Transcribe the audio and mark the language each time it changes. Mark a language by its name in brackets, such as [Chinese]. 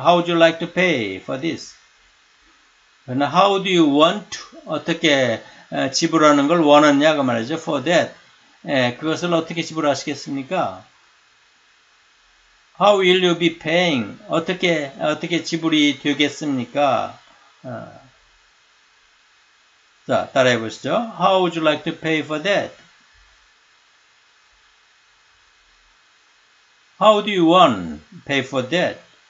[English] How would you like to pay for this? How do you want to? [Korean] 어떻게 지불하는 걸 원하느냐 그 말이죠. [English] For that. [Korean] 예, 그것을 어떻게 지불하시겠습니까? [English] How will you be paying? [Korean] 어떻게 지불이 되겠습니까? 자, 따라해 보시죠. [English] How would you like to pay for that? How do you want to pay for that?